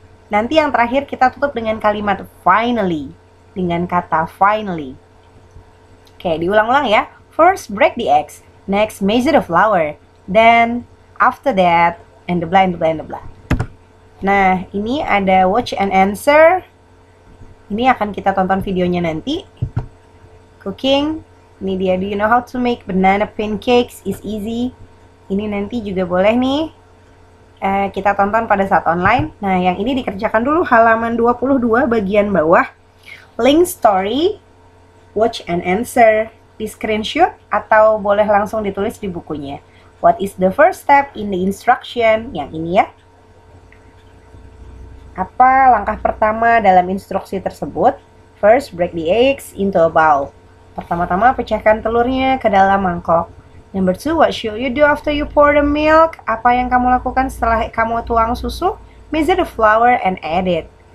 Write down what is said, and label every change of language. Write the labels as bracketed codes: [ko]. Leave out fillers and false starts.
[id] Nanti yang terakhir kita tutup dengan kalimat finally, dengan kata finally. Oke, diulang-ulang ya. [en] First, break the eggs. Next, measure the flour. Then, after that, and the blah, and the blah, and the blah. [id] Nah, ini ada [en] watch and answer. [id] Ini akan kita tonton videonya nanti. Cooking. Ini dia. [en] Do you know how to make banana pancakes? It's easy. [id] Ini nanti juga boleh nih. Kita tonton pada saat online. Nah, yang ini dikerjakan dulu. Halaman 22 bagian bawah. [en] Link story. Watch and answer. [id] Di screenshot. Atau boleh langsung ditulis di bukunya. [en] What is the first step in the instruction? [id] Yang ini ya. Apa langkah pertama dalam instruksi tersebut? [en] First, break the eggs into a bowl. [id] Pertama-tama, pecahkan telurnya ke dalam mangkok. [en] Number two, what should you do after you pour the milk? [id] Apa yang kamu lakukan setelah kamu tuang susu? [en] Measure the flour and add it.